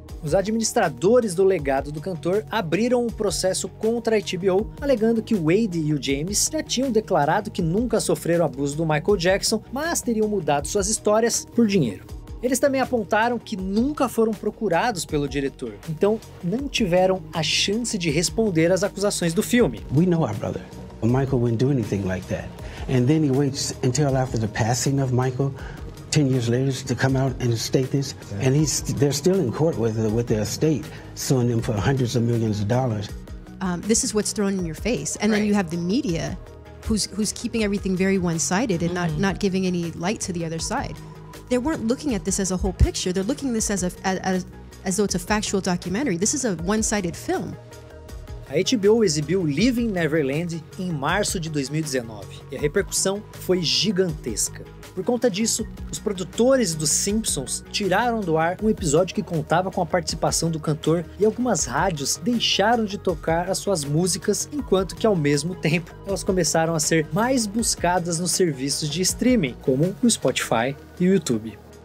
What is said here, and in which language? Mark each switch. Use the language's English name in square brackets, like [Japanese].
[Portuguese] Os administradores do legado do cantor abriram um processo contra a HBO, alegando que Wade e o James já tinham declarado que nunca sofreram abuso do Michael Jackson, mas teriam mudado suas histórias por dinheiro. Eles também apontaram que nunca foram procurados pelo diretor, então não tiveram a chance de responder às acusações do filme. [English] We know our brother. Michael wouldn't do anything like that. And then he waits until after the passing of Michael, 10 years later, to come out and state this. Yeah. And they're still in court with the estate, suing them for hundreds of millions of dollars. This is what's thrown in your face. And right. Then you have the media who's keeping everything very one-sided and not giving any light to the other side. They weren't looking at this as a whole picture. They're looking at this as though it's a factual documentary. This is a one-sided film. [Portuguese] A HBO exibiu Living Neverland em março de 2019 e a repercussão foi gigantesca. Por conta disso, os produtores dos Simpsons tiraram do ar um episódio que contava com a participação do cantor e algumas rádios deixaram de tocar as suas músicas, enquanto que ao mesmo tempo elas começaram a ser mais buscadas nos serviços de streaming, como o Spotify e o YouTube.